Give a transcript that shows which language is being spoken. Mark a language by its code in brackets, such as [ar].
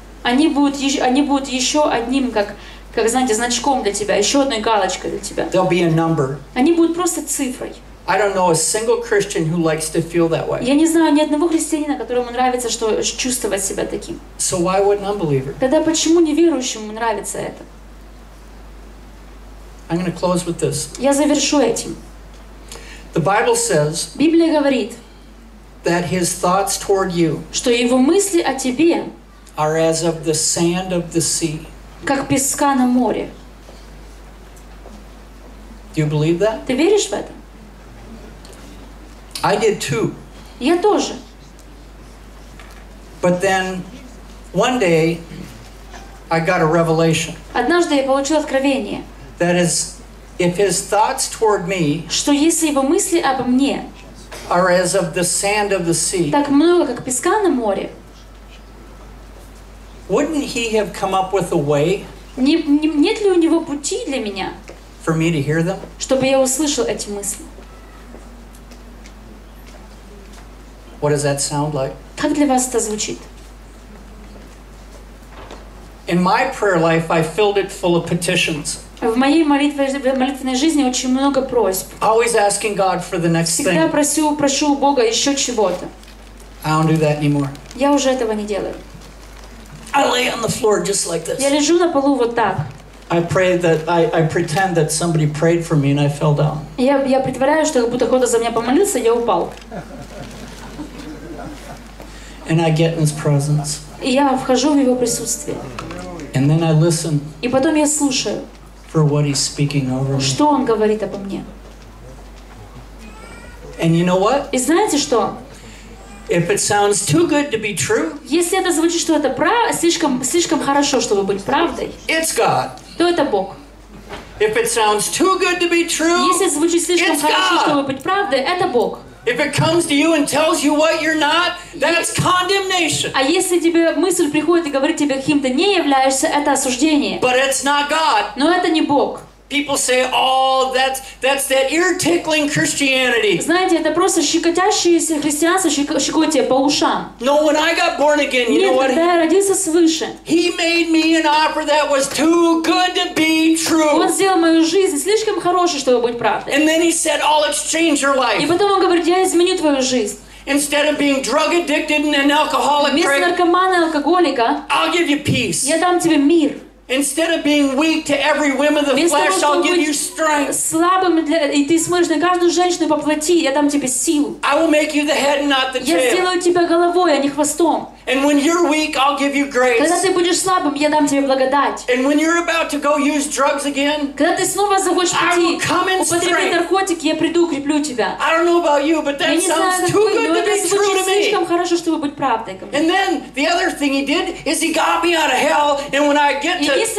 [ru] Они будут еще одним как знаете значком для тебя, еще одной галочкой для тебя. [en] They'll be a number. [ru] Они будут просто цифрой. [en] I don't know a single Christian who likes to feel that way. [ru] Я не знаю ни одного христианина, которому нравится что чувствовать себя таким. [en] So why would an unbeliever? [ru] Тогда почему неверующему нравится это? [en] I'm going to close with this. [ru] Я завершу этим. [en] The Bible says. [ru] Библия говорит. [en] That his thoughts toward you. [ru] Что его мысли о тебе. [en] Are as of the sand of the sea. [ru] Как песка на море. [en] Do you believe that? [ru] Ты веришь в это? [en] I did too. [ru] Я тоже. [en] But then, one day, I got a revelation. [ru] Однажды я получил откровение. [en] That is, if his thoughts toward me, [ru] что если его мысли обо мне, [en] are as of the sand of the sea. [ru] Так много, как песка на море. [en] Wouldn't he have come up with a way? [ru] Нет ли у него пути для меня? [en] For me to hear them? [ru] Чтобы я услышал эти мысли. [en] What does that sound like? [ru] Как для вас это звучит? [en] In my prayer life, I filled it full of petitions. [ru] В моей молитвенной жизни очень много просьб. [en] Always asking God for the next thing. [ru] Всегда прошу у Бога еще чего-то. [en] I don't do that anymore. [ru] Я уже этого не делаю. [en] I lay on the floor just like this. [ru] Я лежу на полу вот так. [en] I pray that I pretend that somebody prayed for me and I fell down. [ru] Я притворяюсь, что как будто кто-то за меня помолился, я упал. [en] And I get in His presence. [ru] И я вхожу в Его присутствие. [en] And then I listen. [ru] И потом я слушаю. [en] For what He's speaking over me. [ru] Что Он говорит обо мне. [en] And you know what? [ru] И знаете что? [en] If it sounds too good to be true. [ru] Если это звучит, что это слишком хорошо, чтобы быть правдой. [en] It's God. [ru] То это Бог. [en] If it sounds too good to be true. [ru] Если звучит слишком хорошо, чтобы быть правдой, это Бог. [en] If it comes to you and tells you what you're not, that's condemnation. [ru] А если тебе мысль приходит и говорит тебе, каким ты не являешься, это осуждение. [en] But it's not God. [ru] Но это не Бог. [en] People say, "Oh, that's that ear-tickling Christianity." [ru] Знаете, это просто щекотящееся христианство, щекотит по ушам. [en] No, when I got born again, you know what? [ru] Нет, когда я родился свыше. [en] He made me an offer that was too good to be true. [ru] Он сделал мою жизнь слишком хорошей, чтобы быть правдой. [en] And then he said, "I'll exchange your life." [ru] И потом он говорит, я изменю твою жизнь. [en] Instead of being drug addicted and an alcoholic, [ru] вместо наркомана и алкоголика, [en] I'll give you peace. [ru] Я дам тебе мир. [en] Instead of being weak to every whim of the flesh, I'll give you strength. [ru] Слабым и ты сможешь на каждую женщину по плоти, я дам тебе силу. [en] I will make you the head, not the tail. [ru] Я сделаю тебя головой, а не хвостом. [en] And when you're weak, I'll give you grace. [ru] Когда ты будешь слабым, я дам тебе благодать. [en] And when you're about to go use drugs again, [ru] когда ты снова захочешь пойти, [en] I will come in strength. [ru] Употреби наркотики, я приду, укреплю тебя. [en] I don't know about you, but that sounds too good to be true to me. [ru] Но это звучит слишком хорошо, чтобы быть правдой ко мне. [en] And then the other thing he did is he got me out of hell, and when I get to